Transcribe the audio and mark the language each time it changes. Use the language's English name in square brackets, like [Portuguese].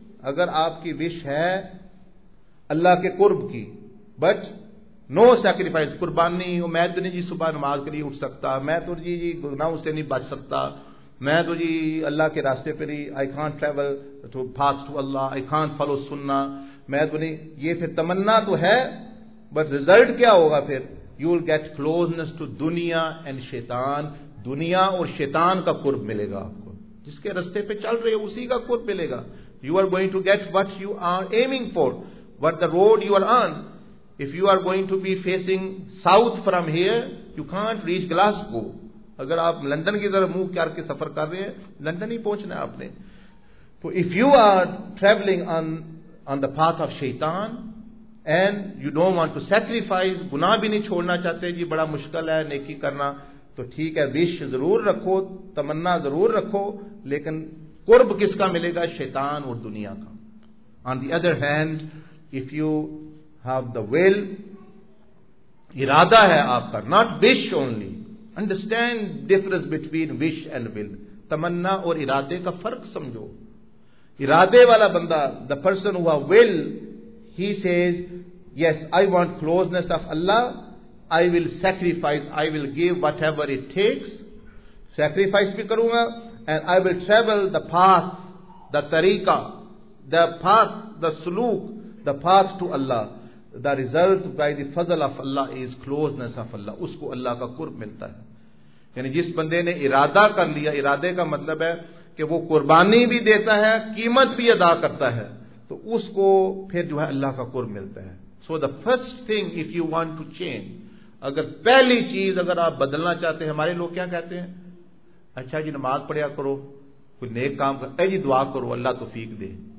[Urdu] اگر آپ کی وش ہے اللہ کے قرب کی [English] but no sacrifice [Urdu] قربان نہیں ہو, میں تو نہیں جی صبح نماز کے لیے اٹھ سکتا, میں تو جی جی گناہوں سے نہیں بچ سکتا, میں تو جی اللہ کے راستے پہ نہیں, [English] I can't travel too fast to Allah, I can't follow سننا, [Urdu] میں تو نہیں, یہ پھر تمنا تو ہے [English] but result [Urdu] کیا ہوگا, پھر [English] you will get closeness to دنیا and شیطان, [Urdu] دنیا اور شیطان کا قرب ملے گا آپ کو, جس کے رستے پہ چل رہے ہیں اسی کا قرب ملے گا. [English] You are going to get what you are aiming for, what the road you are on. If you are going to be facing south from here, you can't reach Glasgow. [Urdu] اگر آپ لندن کی طرف منہ کر کے سفر کر رہے ہیں لندن ہی پہنچنا ہے آپ نے. تو [English] if you are traveling on the path of شیطان and you don't want to sacrifice, [Urdu] گناہ بھی نہیں چھوڑنا چاہتے جی بڑا مشکل ہے نیکی کرنا, تو ٹھیک ہے وش ضرور رکھو تمنا ضرور رکھو, لیکن قرب کس کا ملے گا؟ شیطان اور دنیا کا. [English] On the other hand, if you have the will, [Urdu] ارادہ ہے آپ کا, [English] not wish only, understand difference between wish and will, [Urdu] تمنا اور ارادے کا فرق سمجھو. ارادے والا بندہ, [English] the person who have will, he says yes I want closeness of Allah, I will sacrifice, I will give whatever it takes, sacrifice [Urdu] بھی کروں گا, [English] and I will travel the path, the tariqa, the path, the سلوک, the path to Allah. The result by the fazl of Allah is closeness of Allah. [Urdu] اس کو اللہ کا قرب ملتا ہے. یعنی جس بندے نے ارادہ کر لیا, ارادے کا مطلب ہے کہ وہ قربانی بھی دیتا ہے قیمت بھی ادا کرتا ہے, تو اس کو پھر جو ہے اللہ کا قرب ملتا ہے. [English] so the first thing if you want to change, [Urdu] اگر پہلی چیز اگر آپ بدلنا چاہتے ہیں, ہمارے لوگ کیا کہتے ہیں, اچھا جی نماز پڑھیا کرو, کوئی نیک کام کر, اے جی دعا کرو اللہ توفیق دے.